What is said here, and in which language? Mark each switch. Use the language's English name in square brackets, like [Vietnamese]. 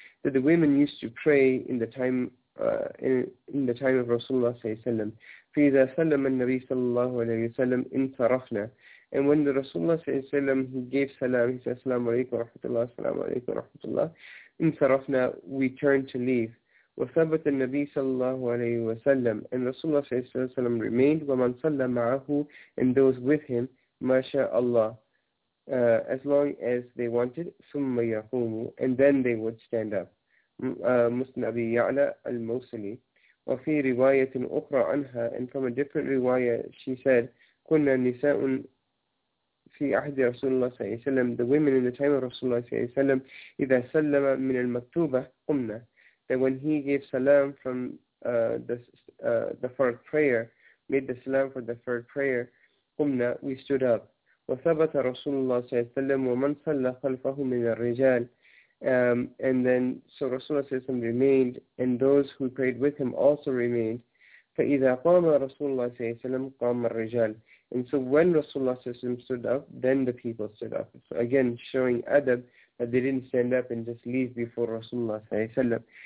[English] That the women used to pray in the time in the time of Rasulullah [Arabic] صلى الله عليه وسلم. فإذا سلم النبي صلى الله عليه وسلم انصرفنا. [English] And when the Rasulullah [Arabic] صلى الله عليه وسلم, [English] he gave salam, he said, [Arabic] السلام عليكم ورحمة الله, السلام عليكم ورحمة الله, انصرفنا, [English] we turned to leave. [Arabic] وثبت النبي صلى الله عليه وسلم, [English] and Rasulullah [Arabic] صلى الله عليه وسلم [English] remained, [Arabic] ومن صلى معه, [English] and those with him, [Arabic] ما شاء الله, [English] as long as they wanted, [Arabic] ثم يقوموا, [English] and then they would stand up. [Arabic] مسلم أبي يعلى الموصلي. وفي رواية أخرى عنها, [English] and from a different riwayah, she said, [Arabic] كنا نساء في أحد رسول الله صلى الله عليه وسلم, [English] the women in the time of [Arabic] رسول الله صلى الله عليه وسلم, إذا سلم من المكتوبة قمنا, [English] that when he gave salam from the first prayer, made the salam for the first prayer, [Arabic] قمنا, [English] we stood up. [Arabic] وثبت رسول الله صلى الله عليه وسلم ومن صلى خلفه من الرجال. [English] And then, so Rasulullah [Arabic] صلى الله عليه وسلم [English] remained, and those who prayed with him also remained. [Arabic] فَإِذَا قَامَ رَسُولُ اللَّهِ صلى الله عليه وسلم قَامَ الرِّجَالِ. [English] And so when Rasulullah [Arabic] صلى الله عليه وسلم [English] stood up, then the people stood up. So again, showing adab, that they didn't stand up and just leave before Rasulullah [Arabic] صلى الله عليه وسلم.